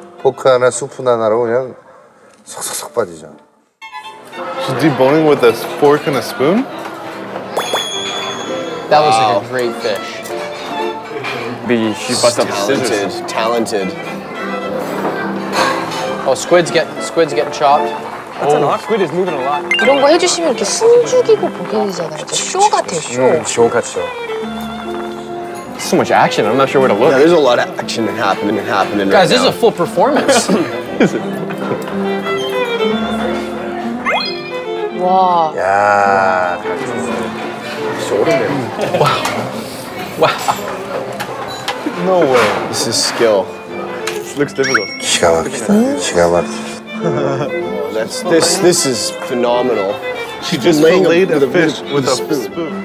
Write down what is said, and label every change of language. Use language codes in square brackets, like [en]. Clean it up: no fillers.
[ko] 포크 하나, 수프 하나로 그냥 쏙쏙쏙 빠지죠. [en] She's deboning with a fork and a spoon? That was like a great fish. She busts up scissors. Talented, talented. Oh, squids get chopped. That's a lot. Squid is moving a lot. [ko] 이런 거 해주시면 이렇게 숨죽이고 보게 되잖아요. 쇼 같아, 쇼. 쇼 같죠. [en] So much action, I'm not sure where to look. Yeah, there's a lot of action happening Guys, this now. Is a full performance. Is it? Wow. Yeah. Wow. Wow. No way. This is skill. This looks difficult. [ko] 기가 막히다, 기가 막히다. [en] This is phenomenal. She just filleted a fish with a spoon.